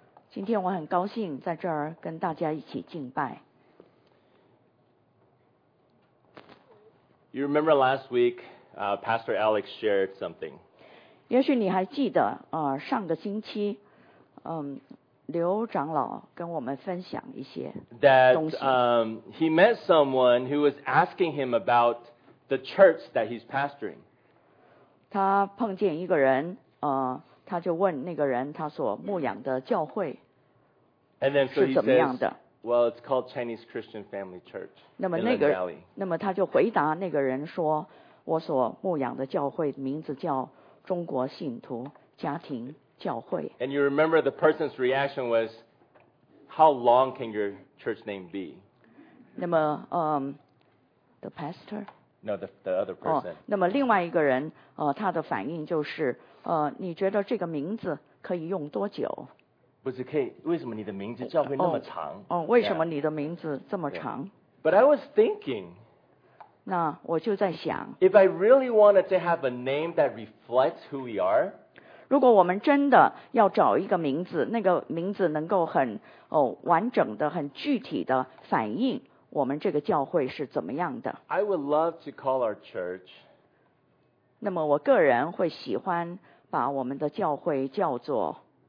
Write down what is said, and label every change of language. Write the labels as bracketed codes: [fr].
[zh] 今天我很高兴在这儿跟大家一起敬拜。 [en] You remember last week, Pastor Alex shared something. [zh] 也许你还记得、上个星期、刘长老跟我们分享一些东西。 [en] He met someone who was asking him about the church that he's pastoring. [zh] 他碰见一个人、他就问那个人他所牧养的教会是怎么样的。 [en] Well, it's called Chinese Christian Family Church. [zh] 那么他就回答那个人说我所牧养的教会名字叫中国信徒家庭教会。 [en] And you remember the person's reaction was, how long can your church name be? [zh] 那么、 [en] the pastor? No, the other person.、 [zh] 那么另外一个人、他的反应就是、你觉得这个名字可以用多久？不是可以，为什么你的名字教会那么长？为什么你的名字这么长、 [en] But I was thinking... [zh] 那我就在想 [en] If I really wanted to have a name that reflects who we are, [zh] 如果我们真的要找一个名字，那个名字能够很、完整的、很具体的反映我们这个教会是怎么样的。 [en] I would love to call our church, [zh] 那么我个人会喜欢把我们的教会叫做